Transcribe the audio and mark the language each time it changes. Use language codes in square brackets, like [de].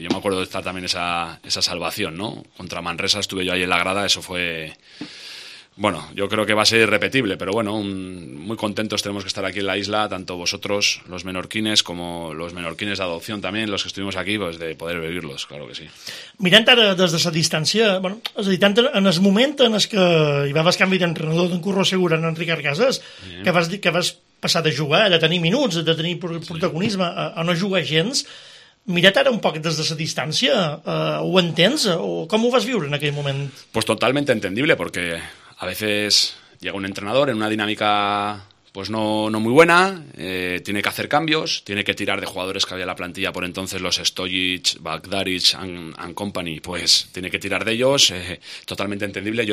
[es] Yo me acuerdo de estar también esa salvación, ¿no? Contra Manresa estuve yo ahí en la grada, eso fue bueno, yo creo que va a ser irrepetible, pero bueno, muy contentos tenemos que estar aquí en la isla, tanto vosotros, los menorquines, como los menorquines de adopción también, los que estuvimos aquí, pues de poder vivirlos, claro que sí. [ca] Mirant ara des de la distància, bueno, és a dir, tant en el moment en el que hi vas canvi d'entrenador d'un curro segur en Enric Arcases, que vas dir que vas passar de jugar, de tenir minuts, de tenir protagonisme, a no jugar gens, mira't ara un poc des de la distància, ¿ho entens? O ¿com ho vas viure en aquell moment? [es] Pues totalmente entendible, porque a veces llega un entrenador en una dinámica pues no muy buena, tiene que hacer cambios, tiene que tirar de jugadores que había en la plantilla por entonces, los Stojic, Bagdaric and company, pues tiene que tirar de ellos, totalmente entendible.